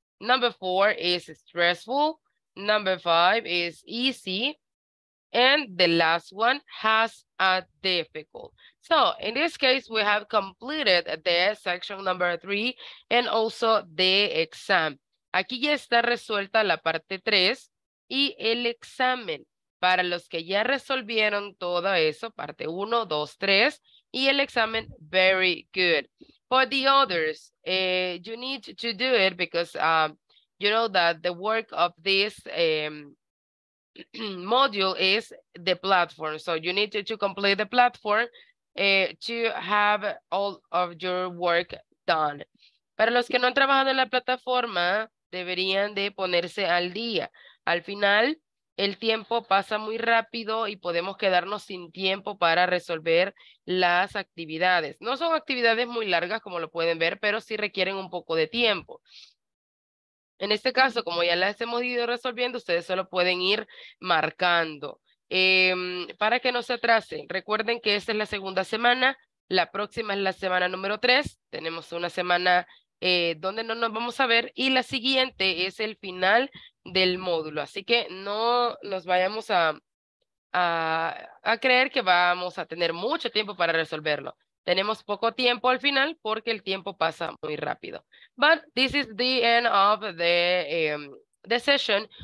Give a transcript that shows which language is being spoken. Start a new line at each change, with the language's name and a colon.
English: Number four is stressful. Number five is easy. And the last one has a difficult. So in this case, we have completed the section number three and also the exam.
Spanish: Aquí ya está resuelta la parte 3 y el examen. Para los que ya resolvieron todo eso, parte 1, 2, 3 y el examen,
English: very good. For the others, you need to do it because you know that the work of this module is the platform. So you need to complete the platform to have all of your work done.
Spanish: Para los que no han trabajado en la plataforma, deberían de ponerse al día. Al final, el tiempo pasa muy rápido y podemos quedarnos sin tiempo para resolver las actividades. No son actividades muy largas, como lo pueden ver, pero sí requieren un poco de tiempo. En este caso, como ya las hemos ido resolviendo, ustedes solo pueden ir marcando. Para que no se atrasen, recuerden que esta es la segunda semana, la próxima es la semana número 3, tenemos una semana donde no nos vamos a ver y la siguiente es el final del módulo. Así que no nos vayamos a creer que vamos a tener mucho tiempo para resolverlo. Tenemos poco tiempo al final porque el tiempo pasa muy rápido.
English: But this is the end of the session.